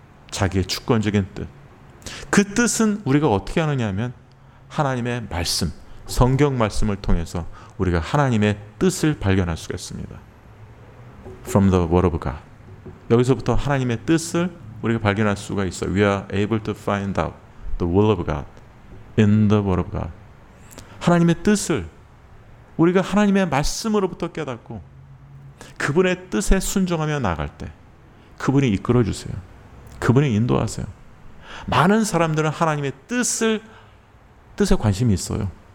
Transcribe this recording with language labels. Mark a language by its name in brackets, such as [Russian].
[Korean] 자기의 주권적인 뜻. 그 뜻은 우리가 어떻게 하느냐 하면 하나님의 말씀, 성경 말씀을 통해서 우리가 하나님의 뜻을 발견할 수가 있습니다. [English] From the word of God. [Korean] 여기서부터 하나님의 뜻을 우리가 발견할 수가 있어요. [English] We are able to find out the will of God in the word of God. [Korean] 하나님의 뜻을 우리가 하나님의 말씀으로부터 깨닫고 그분의 뜻에 순종하며 나갈 때 그분이 이끌어주세요. 그분이 인도하세요. 많은 사람들은 하나님의 뜻에 관심이 있어요.